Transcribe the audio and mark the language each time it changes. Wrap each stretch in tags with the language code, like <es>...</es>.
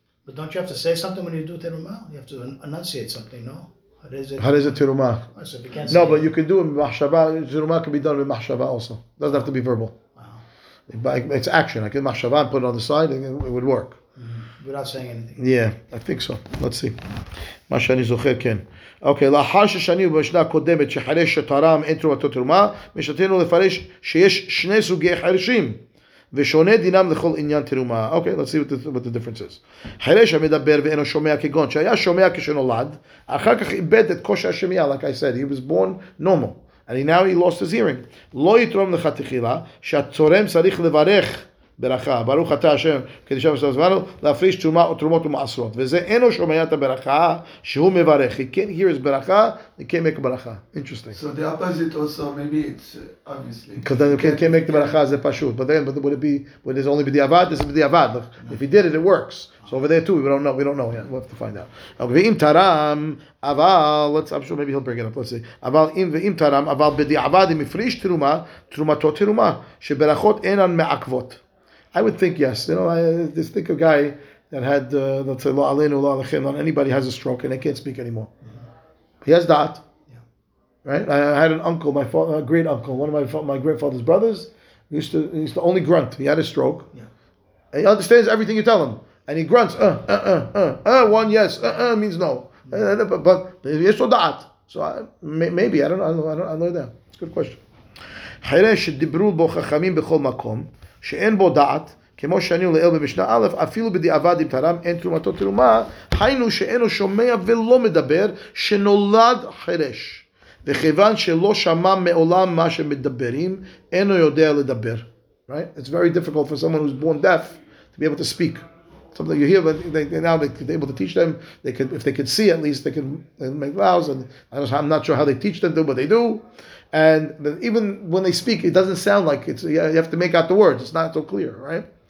<en>But don't you have to say something when you do teruma? You have to enunciate something, no? How is it teruma? So if you can't no, say but it. You can do it in mahshava. Teruma can be done with mahshava also. It doesn't have to be verbal. Wow. But it's action. I can mahshava and put it on the side and it would work. without saying anything. Yeah, I think so. Let's see.</en> <he>מה שאני זוכר כן. Okay, לאחר ששנים במשנה הקודמת שחרש שתרם אין תרומתו תרומה, משנתנו לפרש שיש שני סוגי חרשים. ושונה דינם לכל עניין תרומה.</he> <en>Okay, let's see what the difference is.</en> <he>חרש המדבר ואינו שומע כגון, שהיה שומע כשנולד, אחר כך איבד את כושר השמיע,</he> <en>like I said, he was born normal. And now he lost his hearing.</en> <he>לא יתרום לך תחילה, שהתורם צריך לברך ברכה. ברוך אתה השם, כדי שם עשה זמנו, להפריש תרומה או תרומות ומעשרות. וזה אינו שומע את הברכה שהוא מברך.</he> <en>He can't hear his ברכה, he can't make ברכה. Interesting. So the opposite also, maybe it's obviously. Because then he can't make the ברכה,</en> <he>זה פשוט.</he> <en>But then, would it be, when it's only בדיעבד, it's בדיעבד. If he did it, it works. So over there too, we don't know. Yeah, we'll have to find out. Okay,</en> <he>ואם תרם, אבל,</he> <en>I'm sure maybe he'll bring it up, let's see.</en> <he>אבל אם ואם תרם, אבל בדיעבד, אם מפריש תרומה, תרומתו תרומה, שברכות אינן מעקבות.</he> <en>I would think yes. You know, I just think a guy that had, let's say,</en> <he>lo aleinu, lo alechem,</he> <en>not anybody has a stroke and they can't speak anymore. Mm-hmm. He has da'at. Yeah. Right? I had an uncle, my father, a great uncle, one of my grandfather's brothers. He used to only grunt. He had a stroke. Yeah. He understands everything you tell him. And he grunts, one yes, means no. Mm-hmm. But he has da'at. So maybe, I don't know that. It's a good question.</en> <he>Chiresh dibru bo chachamim bechol makom. שאין בו דעת, כמו שאני לאל במשנה א', אפילו בדיעבד אם תרם, אין תרומתו תרומה, היינו שאינו שומע ולא מדבר, שנולד חרש. וכיוון שלא שמע מעולם מה שמדברים, אינו יודע לדבר.</he> <en>Right? It's very difficult for someone who's born deaf to be able to speak. Something you hear, but they're able to teach them. They could, if they could see, at least they can make vows. And I'm not sure how they teach them, but they do. And even when they speak, it doesn't sound like it's. You have to make out the words. It's not so clear, right?</en>